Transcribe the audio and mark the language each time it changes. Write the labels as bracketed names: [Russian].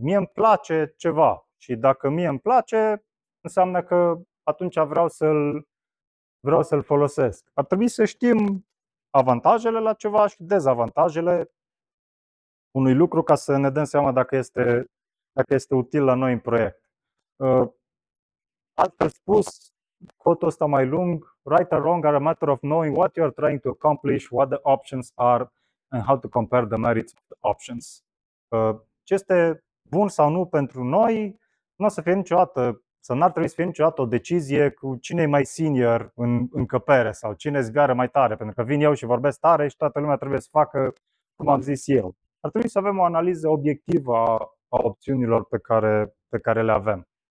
[Romanian] Mie îmi place ceva și dacă mie îmi place, înseamnă că atunci vreau să-l folosesc. Ar trebui să știm avantajele la ceva și dezavantajele unui lucru ca să ne dăm seama dacă este util la noi în proiect. Altfel spus, quote-ul ăsta mai lung, [English] right or wrong are a matter of knowing what you are trying to accomplish, what the options are and how to compare the merits of the options. [Romanian] Ce este bun sau nu pentru noi, nu o să fie niciodată, să n-ar trebui să fie niciodată o decizie cu cine e mai senior în încăpere sau cine zbiară mai tare, pentru că vin eu și vorbesc tare și toată lumea trebuie să facă cum am zis eu. Ar trebui să avem o analiză obiectivă a opțiunilor pe care le avem.